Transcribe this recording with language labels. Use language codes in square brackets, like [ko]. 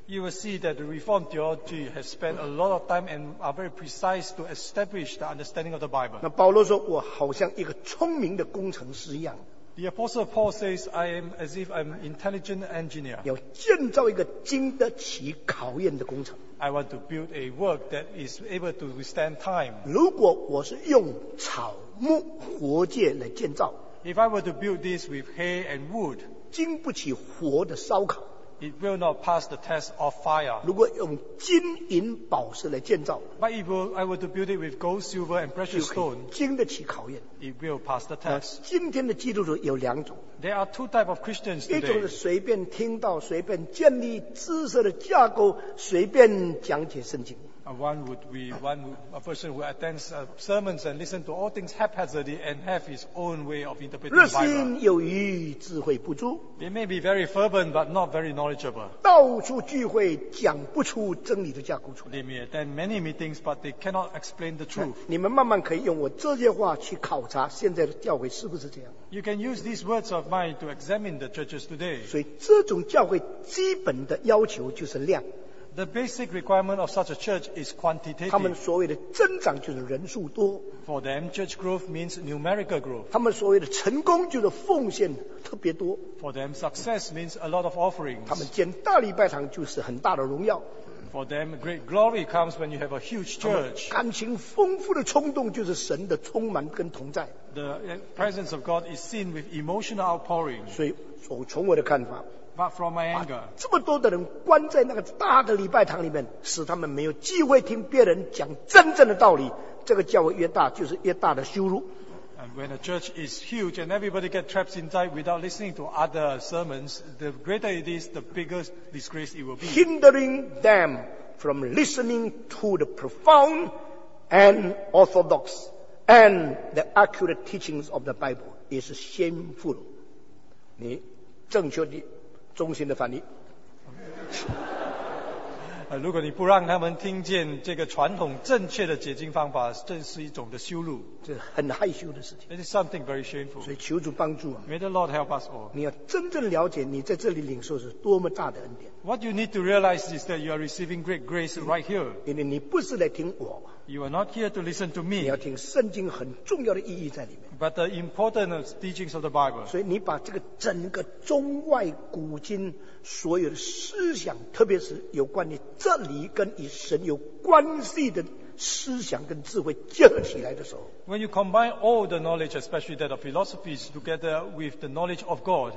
[en] You will see that the Reformed theology has spent a lot of time and are very precise to establish the understanding of the Bible. [zh] 那保罗说，我好像一个聪明的工程师一样。 [en] The Apostle Paul says, I am as if I'm an intelligent engineer. [zh] 要建造一个经得起考验的工程。 [en] I want to build a work that is able to withstand time. [zh] 如果我是用草木活界来建造。 [en] If I were to build this with hay and wood, [zh] 经不起火的烧烤。 [en] It will not pass the test of fire. [zh] 如果用金银宝石来建造 [en] ，But if I were to build it with gold, silver, and precious stone, [zh] 经得起考验。 [en] It will pass the test. [zh] 今天的基督徒有两种 [en] ，There are two types of Christians today. [zh] 一种是随便听到、随便建立知识的架构、随便讲解圣经。 [en] A person who attends sermons and listen to all things haphazardly and have his own way of interpreting the Bible. [zh] 热心有余，智慧不足。 [en] They may be very fervent, but not very knowledgeable. [zh] 到处聚会，讲不出真理的架构出来。 [en] They may attend many meetings, but they cannot explain the truth. [zh] 你们慢慢可以用我这些话去考察现在的教会是不是这样。 [en] You can use these words of mine to examine the churches today. [zh] 所以这种教会基本的要求就是量。 [en] The basic requirement of such a church is quantitative. [zh] 他们所谓的增长就是人数多。 [en] For them, church growth means numerical growth. [zh] 他们所谓的成功就是奉献特别多。 [en] For them, success means a lot of offerings. [zh] 他们建大礼拜堂就是很大的荣耀。 [en] For them, great glory comes when you have a huge church. [zh] 他们感情丰富的冲动就是神的充满跟同在。 [en] The presence of God is seen with emotional outpouring. [zh] 所以，我从我的看法。 [en] But from my anger, [zh] 把这么多的人关在那个大的礼拜堂里面，使他们没有机会听别人讲真正的道理。这个教会越大，就是越大的羞辱。 [en] And when a church is huge and everybody gets trapped inside without listening to other sermons, the greater it is, the bigger disgrace it will be. Hindering them from listening to the profound and orthodox and the accurate teachings of the Bible is shameful. [zh] 你正确的。中心的反应。如果你不让他们听见这个传统正确的解经方法，正是一种的羞辱，这很害羞的事情。 [en] It is something very shameful. [zh] 所以求主帮助我们。 [en] May the Lord help us all. [zh] 你要真正了解你在这里领受是多么大的恩典。 [en] What you need to realize is that you are receiving great grace right here. [zh] 因为你不是来听我。 [en] You are not here to listen to me. [zh] 你要听圣经很重要的意义在里面。 [en] But the important teachings of the Bible. [zh] 所以你把这个整个中外古今所有的思想，特别是有关于这里跟与神有关系的思想跟智慧结合起来的时候， [en] When you combine all the knowledge, especially that of philosophies, together with the knowledge of God,